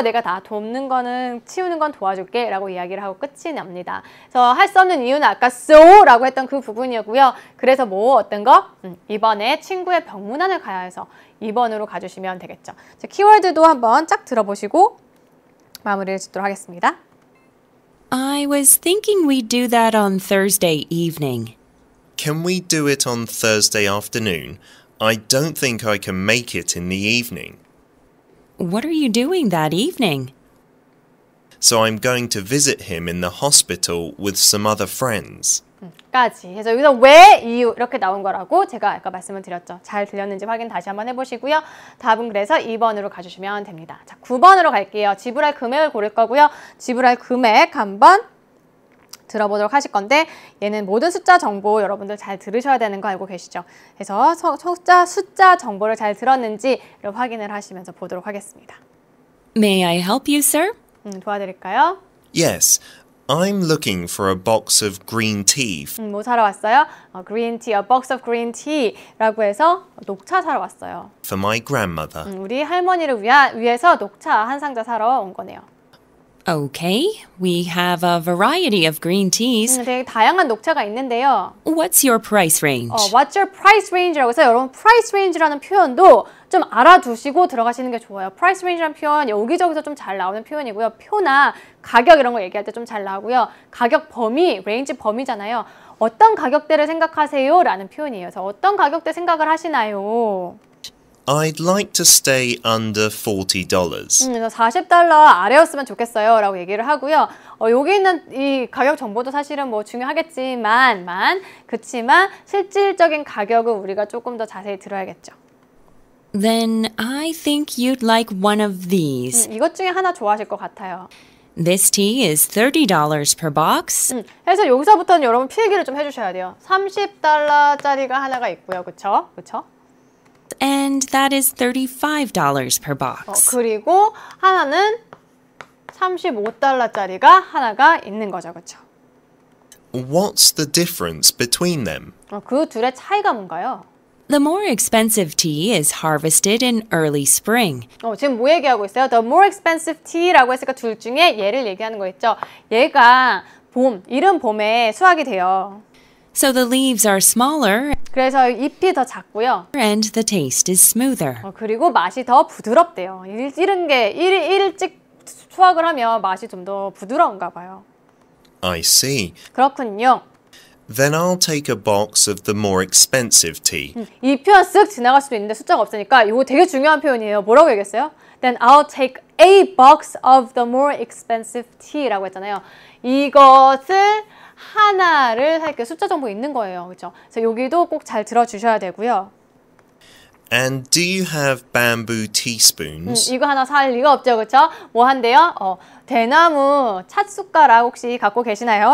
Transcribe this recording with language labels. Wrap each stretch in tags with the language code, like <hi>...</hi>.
<ko>내가 다 돕는 거는 치우는 건 도와줄게. 라고 이야기를 하고 끝이 납니다. 그래서 할 수 없는 이유는 아까 so 라고 했던 그 부분이었고요. 그래서 뭐 어떤 거? 이번에 친구의 병문안을 가야 해서 2번으로 가주시면 되겠죠. 자, 키워드도 한번 쫙 들어보시고 마무리를 짓도록 하겠습니다.</ko> <en>I was thinking we'd do that on Thursday evening. Can we do it on Thursday afternoon? I don't think I can make it in the evening. What are you doing that evening? So I'm going to visit him in the hospital with some other friends.</en> <ko>까지 해서 여기서 왜 이유 이렇게 나온 거라고 제가 아까 말씀을 드렸죠. 잘 들렸는지 확인 다시 한번 해보시고요. 답은 그래서 2번으로 가주시면 됩니다. 자, 9번으로 갈게요. 지불할 금액을 고를 거고요. 지불할 금액 한번 들어보도록 하실 건데 얘는 모든 숫자 정보 여러분들 잘 들으셔야 되는 거 알고 계시죠. 그래서 숫자 정보를 잘 들었는지 확인을 하시면서 보도록 하겠습니다.</ko> <en>May I help you, sir?</en> <ko>도와드릴까요?</ko> <en>Yes. I'm looking for a box of green tea.</en> <ko>뭐 사러 왔어요?</ko> <en>Green tea, a box of green tea</en> <ko>라고 해서 녹차 사러 왔어요.</ko> <en>For my grandmother.</en> <ko>우리 할머니를 위해서 녹차 한 상자 사러 온 거네요.</ko> <en>Okay, we have a variety of green teas.</en> <ko>되게 다양한 녹차가 있는데요.</ko> <en>What's your price range? What's your price range</en> <ko>라고 해서 여러분 price range라는 표현도 좀 알아두시고 들어가시는 게 좋아요. Price range라는 표현 여기저기서 좀 잘 나오는 표현이고요. 표나 가격 이런 거 얘기할 때 좀 잘 나오고요. 가격 범위, range 범위잖아요. 어떤 가격대를 생각하세요? 라는 표현이에요. 그래서 어떤 가격대 생각을 하시나요?</ko> <en>I'd like to stay under $40.</en> <ko>40달러 아래였으면 좋겠어요 라고 얘기를 하고요. 여기 있는 이 가격 정보도 사실은 뭐 중요하겠지만 그치만 실질적인 가격은 우리가 조금 더 자세히 들어야겠죠.</ko> <en>Then I think you'd like one of these.</en> <ko>이것 중에 하나 좋아하실 것 같아요.</ko> <en>This tea is $30 per box.</en> <ko>해서 여기서부터는 여러분 필기를 좀 해주셔야 돼요. 30달러짜리가 하나가 있고요. 그쵸?</ko> <en>And that is $35 per box.</en> <ko>그리고 하나는 35달러짜리가 하나가 있는 거죠, 그렇죠?</ko> <en>What's the difference between them?</en> <ko>그 둘의 차이가 뭔가요?</ko> <en>The more expensive tea is harvested in early spring.</en> <ko>지금 뭐 얘기하고 있어요?</ko> <en>The more expensive tea</en> <ko>라고 했으니까 둘 중에 얘를 얘기하는 거 있죠? 얘가 봄, 이른 봄에 수확이 돼요.</ko> <en>So the leaves are smaller.</en> <ko>그래서 잎이 더 작고요.</ko> <en>And the taste is smoother.</en> <ko>그리고 맛이 더 부드럽대요. 일찍 수확을 하면 맛이 좀 더 부드러운가 봐요.</ko> <en>I see.</en> <ko>그렇군요.</ko> <en>Then I'll take a box of the more expensive tea.</en> <ko>이 표현 쓱 지나갈 수도 있는데 숫자가 없으니까 이거 되게 중요한 표현이에요. 뭐라고 얘기했어요?</ko> <en>Then I'll take a box of the more expensive tea</en> <ko>라고 했잖아요. 이것을 하나를 살게 숫자 정보 있는 거예요. 그렇죠? 그래서 여기도 꼭 잘 들어 주셔야 되고요.</ko> <en>And do you have bamboo teaspoons?</en> <ko>이거 하나 살 리가 없죠. 그렇죠? 뭐 한대요? 대나무 찻숟가락 혹시 갖고 계시나요?</ko>